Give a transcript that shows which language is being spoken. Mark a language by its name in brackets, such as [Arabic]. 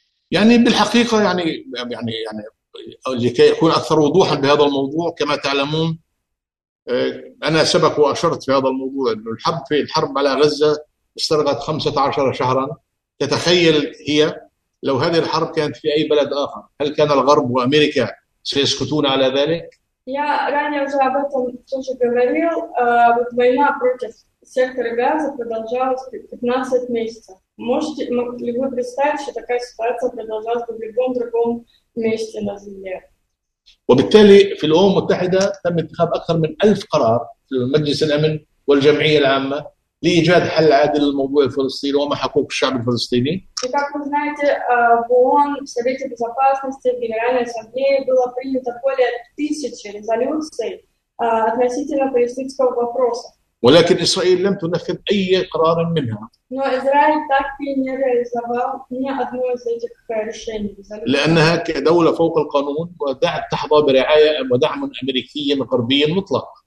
[Arabic] يعني بالحقيقة يعني لكي يكون أكثر وضوحاً بهذا الموضوع كما تعلمون أنا سبق وأشرت في هذا الموضوع أن الحرب على غزة استغرقت 15 شهراً. تتخيل هي لو هذه الحرب كانت في أي بلد آخر هل كان الغرب وأمريكا سيسكتون على ذلك؟ يا راني أجابت تشكرني وينا بروتس. [Russian] Сектор Газа продолжался 15 месяцев. Можете, могли ли вы представить, что такая ситуация продолжалась бы в любом другом месте на Земле? [Arabic] وبالتالي في الأمم المتحدة تم اتخاذ أكثر من 1000 قرار في مجلس الأمن والجمعية العامة لإيجاد حل عادل للموضوع الفلسطيني وما حقوق الشعب الفلسطيني. [Russian] И как вы знаете, в ООН, в Совете Безопасности, в Генеральной Ассамблее было принято более 1000 резолюций относительно палестинского вопроса. [Arabic] ولكن إسرائيل لم تنفذ أي قرار منها. [Russian] Но Израиль так и не реализовал ни одно из этих решений. [Arabic] لأنها كدولة فوق القانون ودعت تحظى برعاية ودعم أمريكي غربي مطلق.